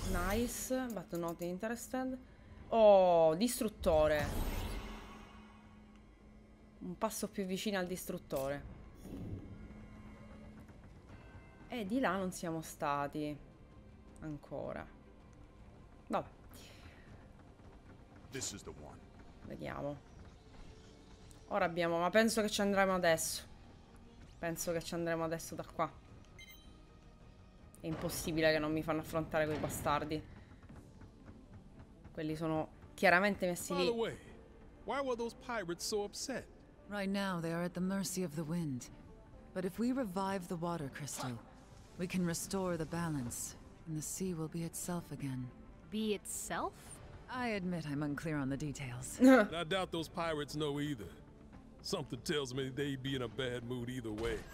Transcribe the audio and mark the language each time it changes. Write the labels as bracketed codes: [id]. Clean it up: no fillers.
[en] Nice, but not interested. [it] Oh, distruttore. Un passo più vicino al distruttore. E di là non siamo stati ancora. Vabbè. [en] This is the one. [it] Vediamo. Ora abbiamo, ma penso che ci andremo adesso. Penso che ci andremo adesso da qua. È impossibile che non mi fanno affrontare quei bastardi. Quelli sono chiaramente messi lì. [en] Why were those pirates so upset? Right now they are at the mercy of the wind. But if we revive the water crystal, we can restore the balance and the sea will be itself again. Be itself? I admit I'm unclear on the details. I doubt those pirates know either. Something tells me they'd be in a bad mood either way.